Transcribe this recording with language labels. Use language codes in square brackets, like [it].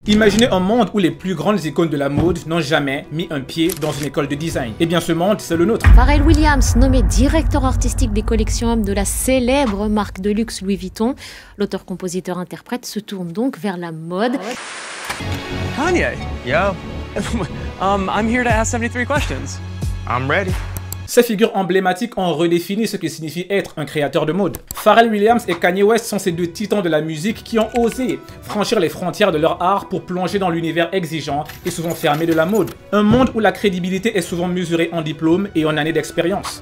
[fr] Imaginez un monde où les plus grandes icônes de la mode n'ont jamais mis un pied dans une école de design. Eh bien, ce monde, c'est le nôtre. Pharrell Williams, nommé directeur artistique des collections hommes de la célèbre marque de luxe Louis Vuitton, l'auteur-compositeur-interprète se tourne donc vers la mode. [en] Kanye, yo, I'm here to ask 73 questions. I'm ready. [fr] Ces figures emblématiques ont redéfini ce que signifie être un créateur de mode. Pharrell Williams et Kanye West sont ces deux titans de la musique qui ont osé franchir les frontières de leur art pour plonger dans l'univers exigeant et souvent fermé de la mode. Un monde où la crédibilité est souvent mesurée en diplômes et en années d'expérience.